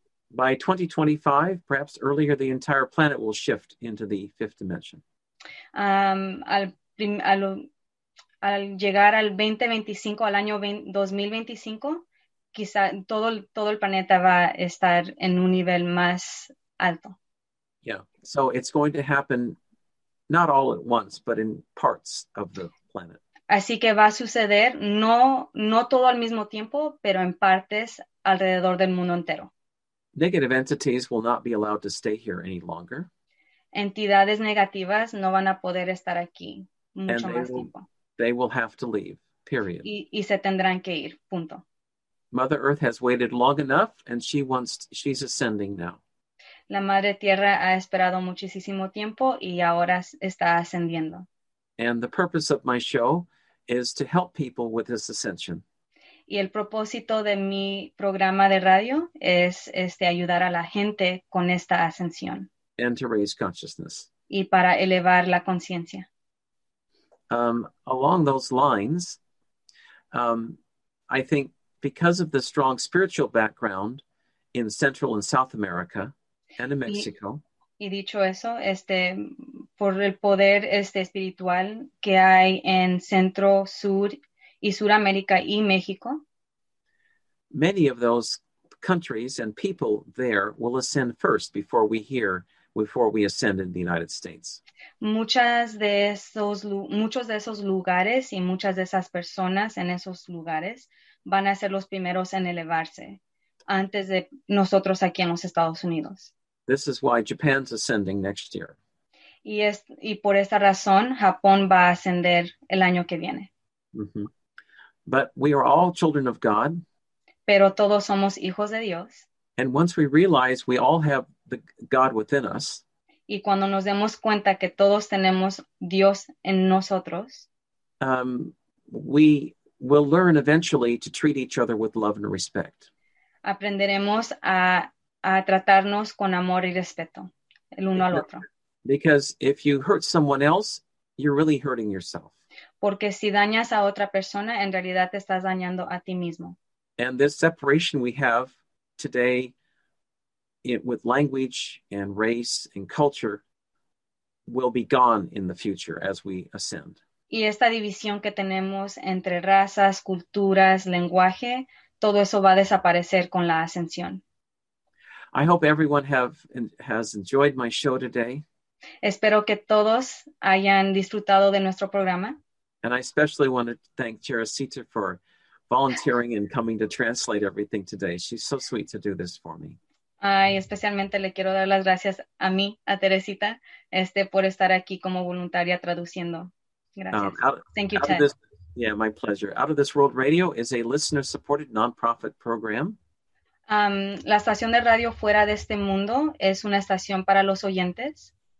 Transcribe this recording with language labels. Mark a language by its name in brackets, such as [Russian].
[English] By 2025, perhaps earlier, the entire planet will shift into the fifth dimension. [Spanish] Al llegar al 2025, al año 2025, quizá todo el planeta va a estar en un nivel más alto. [English] Yeah, so it's going to happen not all at once, but in parts of the planet. [Spanish] Así que va a suceder, no todo al mismo tiempo, pero en partes alrededor del mundo entero. [English] Negative entities will not be allowed to stay here any longer. [Spanish] Entidades negativas no van a poder estar aquí mucho más tiempo. [English] They will have to leave, period. [Spanish] Y se tendrán que ir, punto. [English] Mother Earth has waited long enough and she's ascending now. [Spanish] La Madre Tierra ha esperado muchísimo tiempo y ahora está ascendiendo. [English] And the purpose of my show is to help people with this ascension. [Spanish] Y el propósito de mi programa de radio es ayudar a la gente con esta ascensión. [English] And to raise consciousness. [Spanish] Y para elevar la conciencia. [English] Along those lines, I think because of the strong spiritual background in Central and South America, and in Mexico. [Spanish] Y dicho eso, por el poder espiritual que hay en Centro, Sur y Suramérica y México. [English] Many of those countries and people there will ascend first before we ascend in the United States. [Spanish] Muchos de esos lugares y muchas de esas personas en esos lugares van a ser los primeros en elevarse antes de nosotros aquí en los Estados Unidos. [English] This is why Japan's ascending next year. [Spanish] Y por esta razón, Japón va a ascender el año que viene. [English] Mm-hmm. But we are all children of God. [Spanish] Pero todos somos hijos de Dios. [English] And once we realize we all have the God within us. [Spanish] y cuando nos demos cuenta que todos tenemos Dios en nosotros, [English] we will learn eventually to treat each other with love and respect. [Spanish] Aprenderemos a tratarnos con amor y respeto el uno al otro. [English] Because if you hurt someone else, you're really hurting yourself. [Spanish] Porque si dañas a otra persona, en realidad te estás dañando a ti mismo. [English] And this separation we have today with language and race and culture will be gone in the future as we ascend. [Spanish] Y esta división que tenemos entre razas, culturas, lenguaje, todo eso va a desaparecer con la ascensión. [English] I hope everyone has enjoyed my show today. [Spanish] Espero que todos hayan disfrutado de nuestro programa. [English] And I especially want to thank Teresita for volunteering and coming to translate everything today. She's so sweet to do this for me. [Spanish] Ay, especialmente le quiero dar las gracias a mí, a Teresita, por estar aquí como voluntaria traduciendo. [English] Thank you, Ted. My pleasure. Out of This World Radio is a listener-supported nonprofit program. [Spanish] La estación de radio Fuera de Este Mundo es una estación para los oyentes.